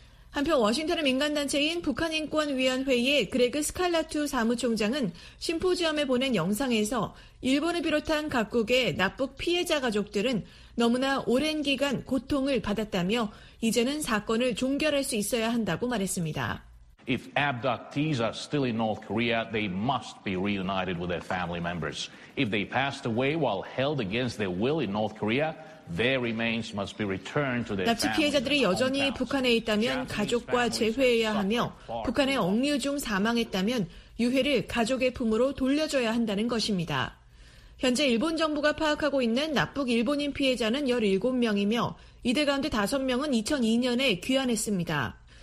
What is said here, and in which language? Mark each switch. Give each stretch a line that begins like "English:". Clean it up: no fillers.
Korean: 한편 워싱턴의 민간단체인 북한인권위원회의 그레그 스칼라투 사무총장은 심포지엄에 보낸 영상에서 일본을 비롯한 각국의 납북 피해자 가족들은 너무나 오랜 기간 고통을 받았다며 이제는 사건을 종결할 수 있어야 한다고 말했습니다.
English: If abductees are still in North Korea, they must be reunited with their family members. If they passed away while held against their will in North Korea, their remains must be returned to their family.
Korean: 납치 피해자들이 여전히 북한에 있다면 가족과 재회해야 하며 북한에 억류 중 사망했다면 유해를 가족의 품으로 돌려줘야 한다는 것입니다. 현재 일본 정부가 파악하고 있는 납북 일본인 피해자는 17명이며 이들 가운데 5명은 2002년에 귀환했습니다.